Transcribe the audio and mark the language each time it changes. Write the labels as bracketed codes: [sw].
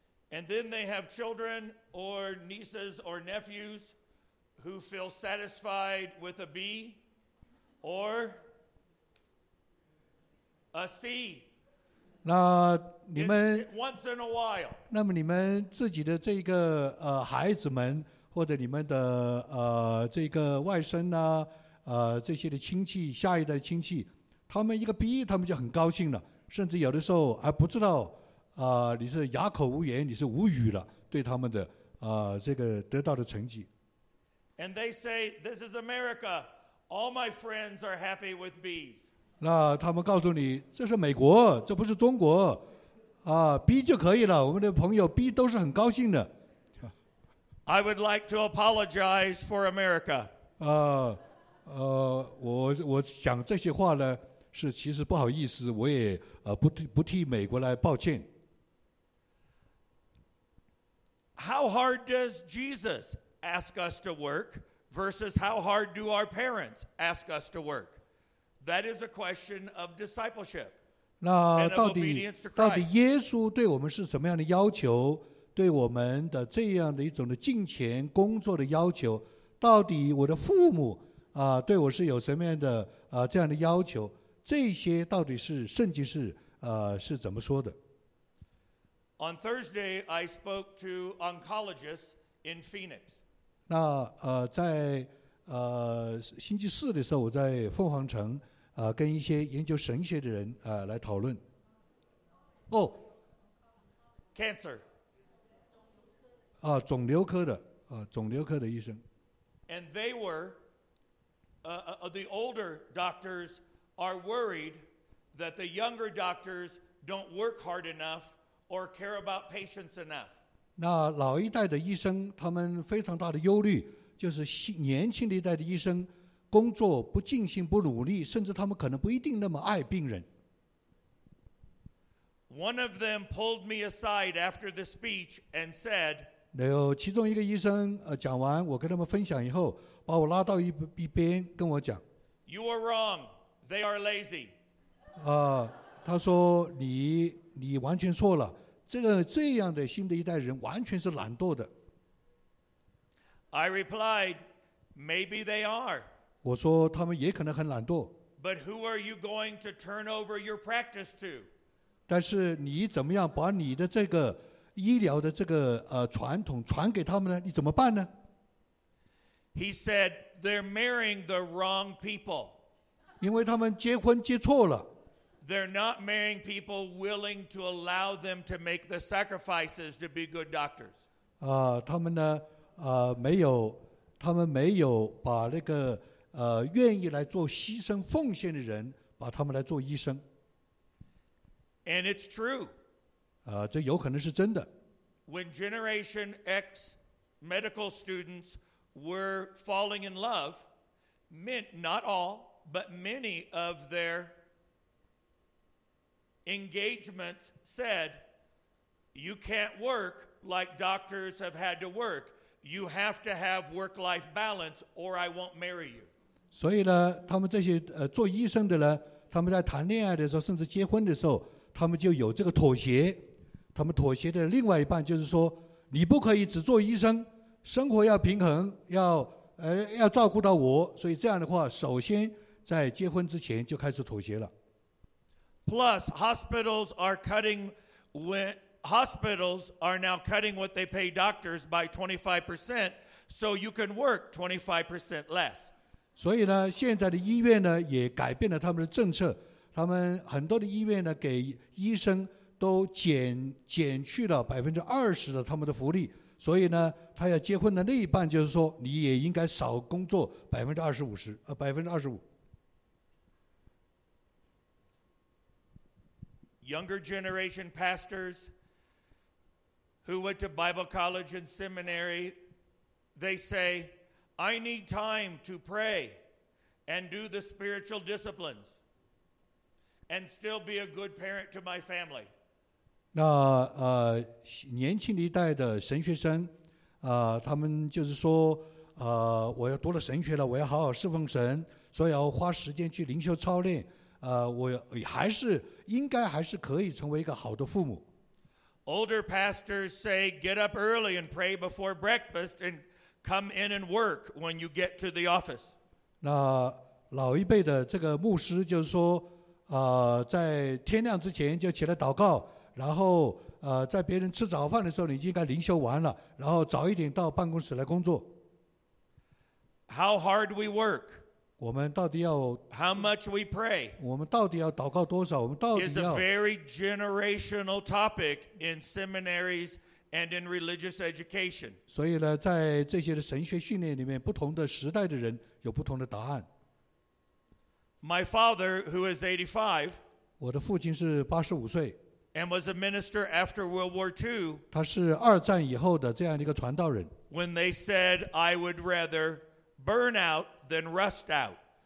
[en] And then they have children or nieces or nephews who feel satisfied with a B or a C。 [zh] 那你们 [en] Once in a while. [zh] 那么你们自己的这个孩子们或者你们的这个外甥啊这些的亲戚下一代亲戚，他们一个毕业他们就很高兴了，甚至有的时候还不知道、你是哑口无言，你是无语了，对他们的、这个得到的成绩。 [en] And they say, this is America. All my friends are happy with B's. [zh] 那他们告诉你，这是美国，这不是中国、B 就可以了，我们的朋友 B 都是很高兴的。 [en] I would like to apologize for America. [zh] 我讲这些话呢，是其实不好意思，我也、不替美国来抱歉。 [en] How hard does Jesus ask us to work versus how hard do our parents ask us to work? That is a question of discipleship. [zh] 那到底耶稣对我们是什么样的要求？对我们的这样的一种的敬虔工作的要求，到底我的父母、对我是有什么样的、这样的要求，这些到底是圣经 是怎么说的。 [en] On Thursday I spoke to oncologists in Phoenix. [zh] 那、在、星期四的时候，我在凤凰城、跟一些研究神学的人、来讨论。哦、oh, [en] Cancer [zh] 肿瘤科的、肿瘤科的医生。 [en] And they were、the older doctors are worried that the younger doctors don't work hard enough or care about patients enough. [zh] 那老一代的医生他们非常大的忧虑，就是年轻的一代的医生工作不尽心不努力，甚至他们可能不一定那么爱病人。 [en] One of them pulled me aside after the speech and said, [zh] 有其中一个医生、讲完我跟他们分享以后，把我拉到 一边跟我讲， [en] You are wrong, they are lazy、 [zh] 他说 你完全错了，这个这样的新的一代人完全是懒惰的。 [en] I replied, maybe they are, [zh] 我说他们也可能很懒惰。 [en] But who are you going to turn over your practice to? [zh] 但是你怎么样把你的这个医疗的这个、传统传给他们呢？你怎么办呢？ [en] He said, they're marrying the wrong people. [zh] 因为他们结婚结错了。 [en] They're not marrying people willing to allow them to make the sacrifices to be good doctors. [zh] 他们呢、没有，他们没有把那个、愿意来做牺牲奉献的人，把他们来做医生。 [en] And it's true. [zh] 这有可能是真的。 [en] When Generation X medical students were falling in love, meant not all, but many of their engagements said, you can't work like doctors have had to work. You have to have work-life balance or I won't marry you. [zh] 所以呢，他们这些、做医生的呢，他们在谈恋爱的时候，甚至结婚的时候，他们就有这个妥协。他们妥协的另外一半就是说，你不可以只做医生，生活要平衡，要照顾到我，所以这样的话，首先在结婚之前就开始妥协了。 [en] Plus, hospitals are cutting, hospitals are now cutting what they pay doctors by 25%, so you can work 25% less. [zh] 所以呢，现在的医院呢也改变了他们的政策，他们很多的医院呢给医生。都 减去了20%的他们的福利，所以呢，他要结婚的那一半，就是说，你也应该少工作25%。 [en] Younger generation pastors who went to Bible college and seminary, they say, I need time to pray and do the spiritual disciplines and still be a good parent to my family. [zh] 那年轻一代的神学生，他们就是说，我要读了神学了，我要好好侍奉神，所以要花时间去灵修操练，我还是应该还是可以成为一个好的父母。 [en] Older pastors say get up early and pray before breakfast and come in and work when you get to the office. [zh] 那老一辈的这个牧师就是说，在天亮之前就起来祷告。然后、在别人吃早饭的时候你应该灵修完了，然后早一点到办公室来工作。 [en] How hard we work. How much we pray is a very generational topic in seminaries and in religious education. [zh] 所以呢, 在这些的神学训练里面, 不同的时代的人, 有不同的答案。 [en] My father, who is 85, [zh] 我的父亲是85岁, [en] and was a minister after World War II, [zh] 他是二战以后的这样的一个传道人, [en] when they said, I would rather burn out than rust out.